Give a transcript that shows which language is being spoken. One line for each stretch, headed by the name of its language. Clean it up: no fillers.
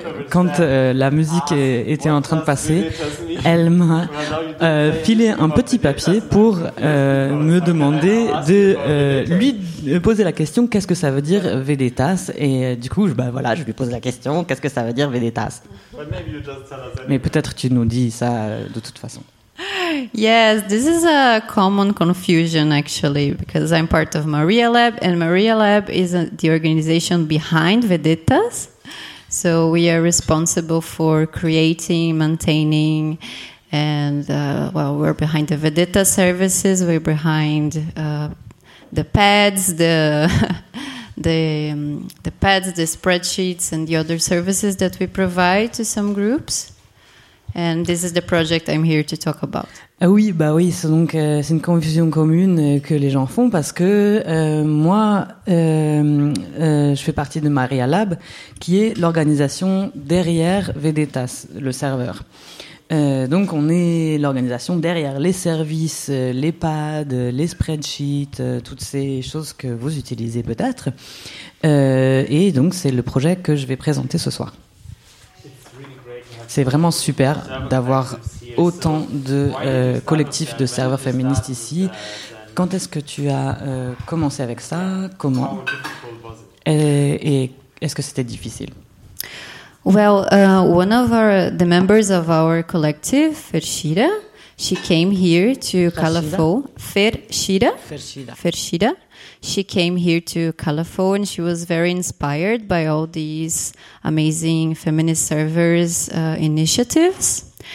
French: Quand la musique était en train de passer, elle m'a filé un petit papier pour me demander de lui poser la question qu'est-ce que ça veut dire Vedetas. Et du coup, je lui pose la question qu'est-ce que ça veut dire Vedetas. Mais peut-être tu nous dis ça de toute façon.
English: Yes, this is a common confusion actually, because I'm part of Maria Lab, and Maria Lab is the organization behind Vedetas. So we are responsible for creating, maintaining, and we're behind the Vedetas services, we're behind the pads, the pads, the spreadsheets, and the other services that we provide to some groups. And this is the project I'm here to talk about.
French: Ah oui, bah oui, c'est donc c'est une confusion commune que les gens font parce que je fais partie de Maria Lab, qui est l'organisation derrière Vedetas, le serveur. Donc on est l'organisation derrière les services, les pads, les spreadsheets, toutes ces choses que vous utilisez peut-être. Et donc c'est le projet que je vais présenter ce soir. C'est vraiment super d'avoir autant de collectifs de serveurs féministes ici. Quand est-ce que tu as commencé avec ça? Comment? Et est-ce que c'était difficile?
English: Well, one of the members of our collective, Fershida, she came here to Calafo. Fershida. She came here to Calafo and she was very inspired by all these amazing feminist servers initiatives.